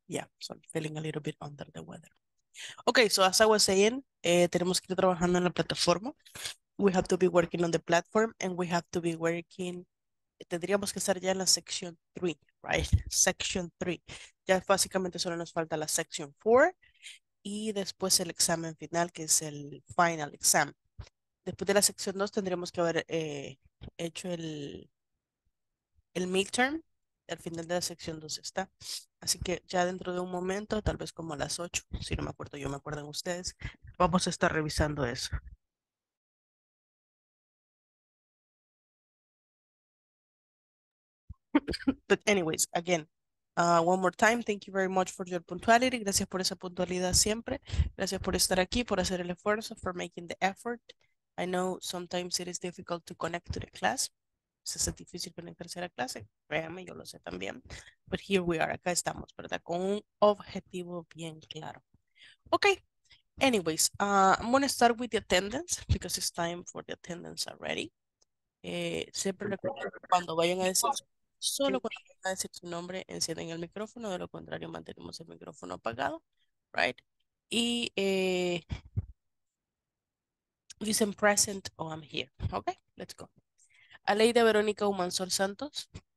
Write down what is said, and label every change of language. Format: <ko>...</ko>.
<en>Yeah, so I'm feeling a little bit under the weather. Okay, so as I was saying,</en> <es>tenemos que ir trabajando en la plataforma.</es> <en>We have to be working on the platform and we have to be working.</en> <es>Tendríamos que estar ya en la section 3,</es> <en>right? Section 3.</en> <es>Ya básicamente solo nos falta la section 4 y después el examen final, que es el</es> <en>final exam.</en> <es>Después de la section 2 tendríamos que haber hecho el midterm. Al final de la section 2 está. Así que ya dentro de un momento, tal vez como a las 8, si no me acuerdo, yo me acuerdo en ustedes, vamos a estar revisando eso.</es> <en>But anyways, again, one more time, thank you very much for your punctuality.</en> <es>Gracias por esa puntualidad siempre. Gracias por estar aquí, por hacer el esfuerzo,</es> <en>for making the effort. I know sometimes it is difficult to connect to the class.</en> <es>Es difícil conectarse a la clase. Créanme, yo lo sé también.</es> <en>But here we are,</en> <es>acá estamos, ¿verdad? Con un objetivo bien claro.</es> <en>Okay, anyways, I'm going to start with the attendance because it's time for the attendance already.</en> <es>Siempre recuerdo cuando vayan a decir... Solo cuando van a decir su nombre, encienden el micrófono, de lo contrario, mantenemos el micrófono apagado, right? Y dicen present o</es> <en>I'm here, okay? Let's go.</en> <es>Aleida Verónica Humansol Santos.</es>